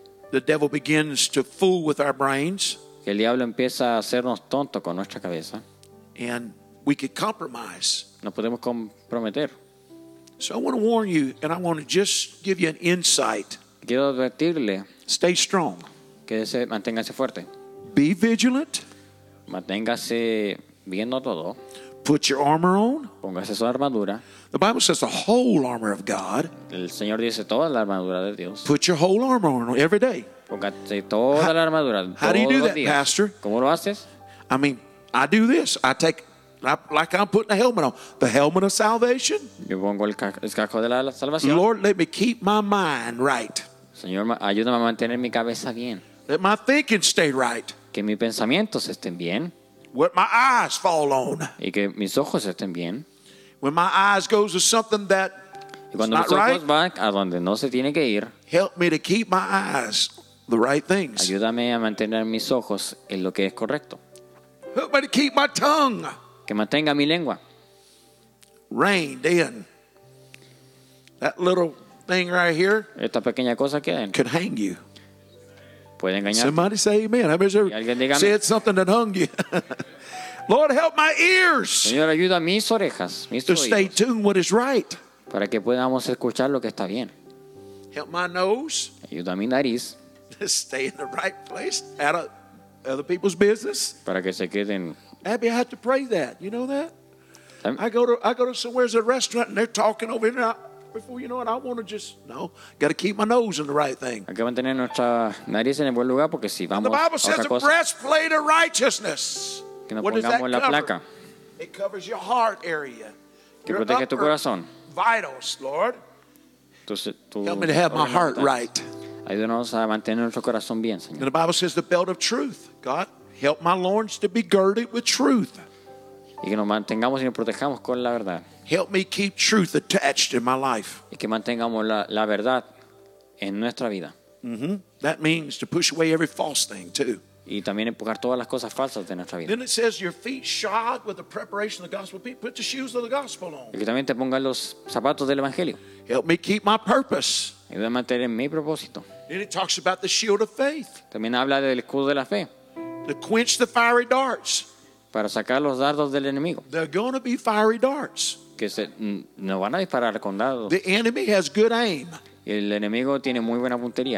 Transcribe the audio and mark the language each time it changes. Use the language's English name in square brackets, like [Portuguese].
[English] the devil begins to fool with our brains, [Spanish] que el diablo empieza a hacernos tonto con nuestra cabeza, [English] and we could compromise. [Spanish] Nos podemos comprometer. [English] So I want to warn you, and I want to just give you an insight. [Spanish] Quiero advertirle. [English] Stay strong. [Spanish] Quédese, manténgase fuerte. [English] Be vigilant. [Spanish] Manténgase viendo todo. [English] Put your armor on. [Spanish] Póngase su armadura. [English] The Bible says the whole armor of God. [Spanish] El Señor dice toda la armadura de Dios. [English] Put your whole armor on every day. [Spanish] Póngase toda la armadura. [English] How do you do that, Pastor? [Spanish] ¿Cómo lo haces? [English] I mean, I do this. I take, like I'm putting a helmet on, the helmet of salvation. [Spanish] Yo pongo el casco de la salvación. [English] Lord, let me keep my mind right. [Spanish] Señor, ayúdame a mantener mi cabeza bien. [English] Let my thinking stay right. [Spanish] Que mis pensamientos estén bien. [English] Let my eyes fall on. [Spanish] Y que mis ojos estén bien. [English] When my eyes goes to something that [Spanish] y cuando [English] not [Spanish] mis ojos [English] right, [Spanish] van a donde no se tiene que ir. [English] Help me to keep my eyes the right things. [Spanish] Ayúdame a mantener mis ojos en lo que es correcto. [English] Help me to keep my tongue. [Spanish] Que mantenga mi lengua. [English] Reined in. That little thing right here. [Spanish] Esta pequeña cosa que hay. [English] Could hang you. [Spanish] Puede engañar. [English] Somebody say amen. I said something that hung you. Lord, help my ears. [Spanish] Señor, ayuda a mis orejas. Mis [English] to stay tuned what is right. [Spanish] Para que podamos escuchar lo que está bien. [English] Help my nose. [Spanish] Ayuda a mi nariz. [English] To stay in the right place. Out of other people's business. [Spanish] Para que se queden. [English] Abby, I have to pray that. You know that? I go to somewhere at a restaurant and they're talking over here. Before you know it, I want to just no. Got to keep my nose in the right thing. [Spanish] Hay que mantener nuestra nariz en el buen lugar porque si vamos. [English] The Bible says the breastplate of righteousness. [Spanish] Que nos pongamos en la placa. [English] It covers your heart area. [Spanish] Que protege tu corazón. [English] Vitals, Lord. Help me to have my heart right. [Spanish] Ayúdanos a mantener nuestro corazón bien, Señor. [English] The Bible says the belt of truth, God. Help my loins to be girded with truth. [Spanish] Y que nos mantengamos y nos protejamos con la verdad. [English] Help me keep truth attached in my life. [Spanish] Y que mantengamos la verdad en nuestra vida. Mm-hmm. [English] That means to push away every false thing too. [Spanish] Y también empujar todas las cosas falsas de nuestra vida. [English] Then it says your feet shod with the preparation of the gospel. Put the shoes of the gospel on. [Spanish] Y que también te pongas los zapatos del evangelio. [English] Help me keep my purpose. [Spanish] Ayúdame a mantener mi propósito. [English] Then it talks about the shield of faith. [Spanish] También habla del escudo de la fe. [English] To quench the fiery darts. [Spanish] Para sacar los dardos del enemigo. [English] They're going to be fiery darts. [Spanish] Que se no van a disparar con dardos. [English] The enemy has good aim. [Spanish] El enemigo tiene muy buena puntería.